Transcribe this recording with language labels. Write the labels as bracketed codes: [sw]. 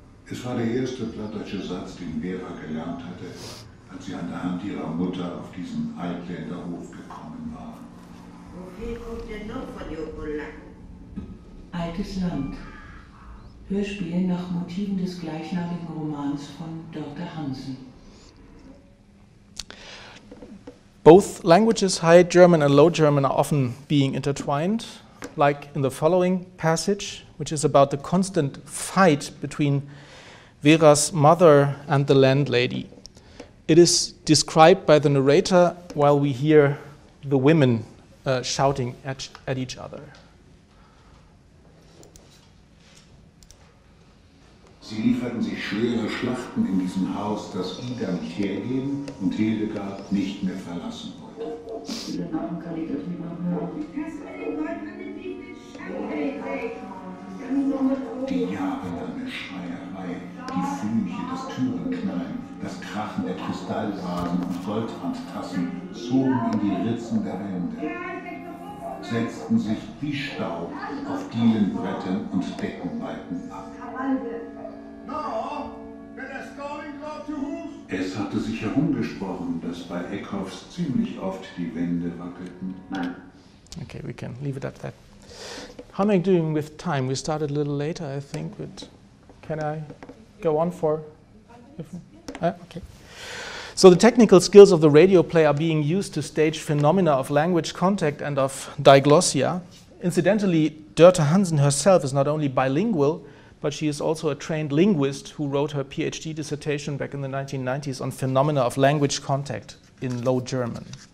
[de] Es war der erste plattdeutsche Satz, den Vera gelernt hatte, als sie an der Hand ihrer Mutter auf diesen Altländerhof gekommen war. Woher kommt der Norm von Jokola? Altes Land. Hörspiel nach Motiven des gleichnamigen Romans von Dörte Hansen. [en] Both languages, High German and Low German, are often being intertwined, like in the following passage, which is about the constant fight between Vera's mother and the landlady. It is described by the narrator while we hear the women shouting at each other. [de] Sie lieferten sich schwere Schlachten in diesem Haus, das Ida nicht hergeben und Hildegard nicht mehr verlassen wollte. Diesen Namen kann ich doch nicht mehr hören. Kannst du den Gold mit dem Lieblingsschein weghaben? Die jahrelange Schreierei, die Flüche, das Türenknallen, das Krachen der Kristallvasen und Goldrandtassen zogen in die Ritzen der Wände, setzten sich wie Staub auf Dielenbrettern und Deckenbalken ab. Es hatte sich herumgesprochen, dass bei Eckhoffs ziemlich oft die Wände wackelten. [en] Okay, we can leave it at that. How am I doing with time? We started a little later, I think, but can I go on for? Okay. So the technical skills of the radio play are being used to stage phenomena of language contact and of diglossia. Incidentally, Dörte Hansen herself is not only bilingual, but she is also a trained linguist who wrote her PhD dissertation back in the 1990s on phenomena of language contact in Low German.